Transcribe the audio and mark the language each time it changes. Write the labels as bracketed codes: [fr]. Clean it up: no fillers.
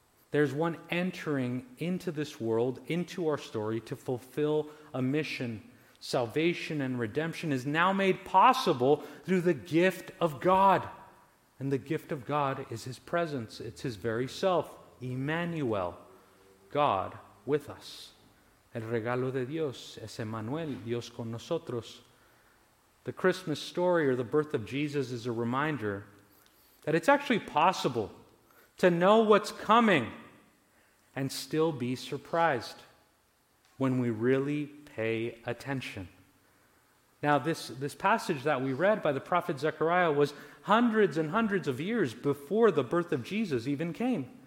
[en] There's one entering into this world, into our story, to fulfill a mission. Salvation and redemption is now made possible through the gift of God. And the gift of God is his presence. It's his very self, Emmanuel. God with us. [es] El regalo de Dios es Emmanuel, Dios con nosotros. [en] The Christmas story or the birth of Jesus is a reminder that it's actually possible to know what's coming and still be surprised when we really pay attention. Now, this passage that we read by the prophet Zechariah was hundreds and hundreds of years before the birth of Jesus even came.